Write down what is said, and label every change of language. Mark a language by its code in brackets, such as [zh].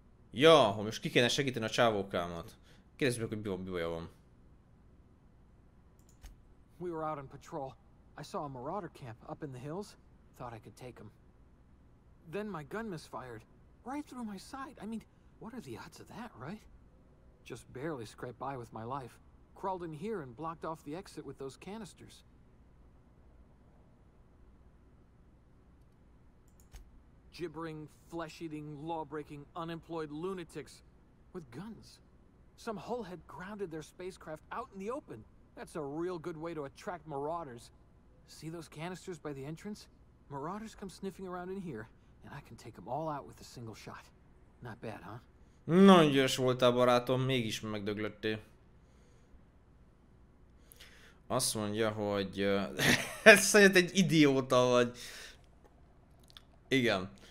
[hu] Ja, hogy most ki kéne segíteni a csávókámat. Kérdezz meg, hogy mi baja van. [en] We were out on patrol. I saw a marauder camp up in the hills. Thought I could take him. Then my gun misfired. Right through my side. I mean, what are the odds of that, right? Just barely scraped by with my life. Crawled in here and blocked off the exit with those canisters. Gibbering, flesh-eating, law-breaking, unemployed lunatics with guns. Some hullhead grounded their spacecraft out in the open. That's a real good way to attract marauders. See those canisters by the entrance? Marauders come sniffing around in here, and I can take them all out with a single shot. Not bad, huh? [hu] Nagyon gyors voltál, barátom, mégis megdöglöttél. Azt mondja, hogy... ez szerint egy idióta vagy. Igen.